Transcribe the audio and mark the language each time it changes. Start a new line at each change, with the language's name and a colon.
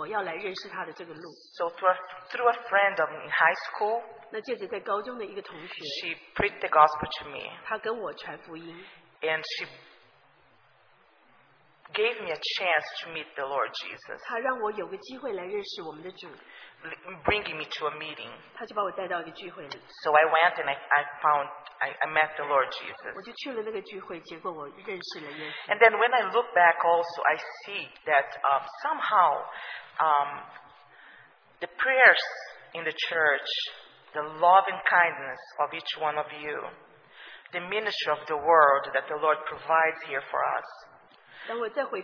Chinese: 那当我回头再看的时候，我就这样想到，当我的生命在成长的时候，主早就一步步的在预备我要来认识他的这个路。
English: So through a friend of in high school,
Chinese: 那借着在高中的一个同学，
English: she preached the gospel to me.
Chinese: 她跟我传福音。
English: And she gave me a chance to meet the Lord Jesus.
Chinese: 她让我有个机会来认识我们的主。
English: Bringing me to a meeting.
Chinese: 他就把我带到一个聚会里。
English: So I went and I met the Lord Jesus.
Chinese: 我就去了那个聚会, 结果我认识了耶稣。
English: And then when I look back also, I see that somehow the prayers in the church, the love and kindness of each one of you, the ministry of the world that the Lord provides here for us.